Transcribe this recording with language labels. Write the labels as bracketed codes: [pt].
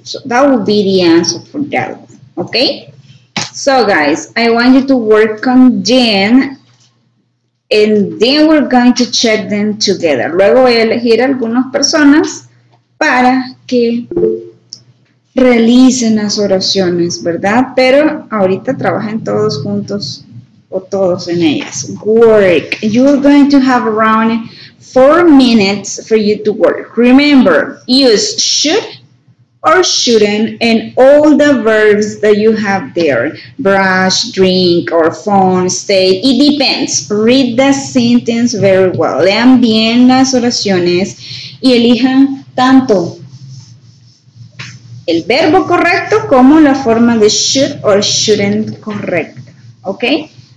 [en] So that would be the answer for that one, okay? So guys, I want you to work on Jen. And then we're going to check them together. [es] Luego voy a elegir algunas personas para que realicen las oraciones, ¿verdad? Pero ahorita trabajen todos juntos o todos en ellas. [en] Work. You're going to have around 4 minutes for you to work. Remember, use should or shouldn't, and all the verbs that you have there. Brush, drink, or phone, stay. It depends. Read the sentence very well. [es] Lean bien las oraciones y elijan tanto el verbo correcto como la forma de should or shouldn't correcta. Okay?